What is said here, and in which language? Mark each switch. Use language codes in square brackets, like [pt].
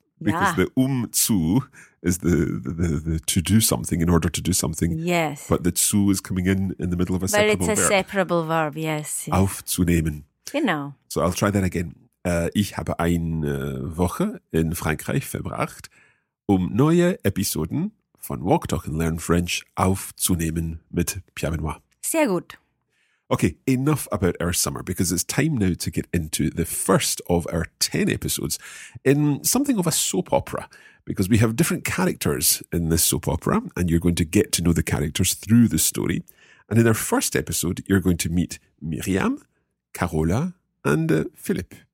[en] Because the zu is the to do something, in order to do something. Yes. But the zu is coming in the middle of a separable verb. But it's a separable verb, yes. [de] Aufzunehmen. Genau. [en] So I'll try that again. [de] Ich habe eine Woche in Frankreich verbracht, um neue Episoden von Walk, Talk and Learn French aufzunehmen mit Pierre Benoit. Sehr gut. [en] Okay, enough about our summer, because it's time now to get into the first of our 10 episodes in something of a soap opera, because we have different characters in this soap opera, and you're going to get to know the characters through the story. And in our first episode, you're going to meet Miriam, Carola, and Philip.